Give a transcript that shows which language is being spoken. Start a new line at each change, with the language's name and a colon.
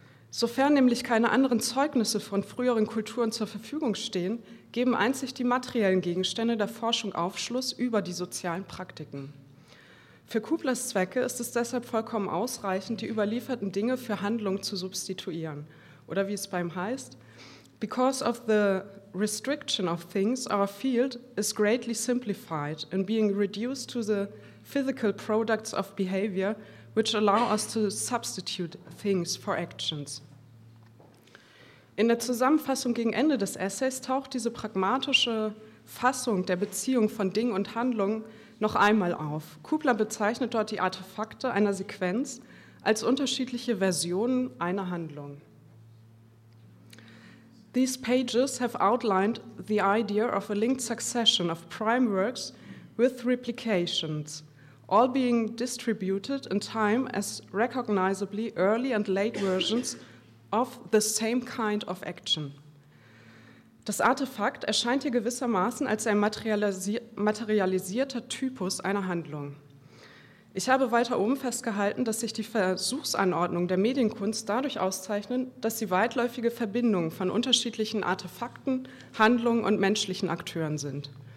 German: Sofern nämlich keine anderen Zeugnisse von früheren Kulturen zur Verfügung stehen, geben einzig die materiellen Gegenstände der Forschung Aufschluss über die sozialen Praktiken. Für Kublers Zwecke ist es deshalb vollkommen ausreichend, die überlieferten Dinge für Handlung zu substituieren. Oder wie es bei ihm heißt,
English: because of the restriction of things, our field is greatly simplified in being reduced to the physical products of behavior, which allow us to substitute things for actions.
German: In der Zusammenfassung gegen Ende des Essays taucht diese pragmatische Fassung der Beziehung von Ding und Handlung noch einmal auf. Kubler bezeichnet dort die Artefakte einer Sequenz als unterschiedliche Versionen einer Handlung.
English: These pages have outlined the idea of a linked succession of prime works with replications, all being distributed in time as recognizably early and late versions of the same kind of action.
German: Das Artefakt erscheint hier gewissermaßen als ein materialisierter Typus einer Handlung. Ich habe weiter oben festgehalten, dass sich die Versuchsanordnungen der Medienkunst dadurch auszeichnen, dass sie weitläufige Verbindungen von unterschiedlichen Artefakten, Handlungen und menschlichen Akteuren sind.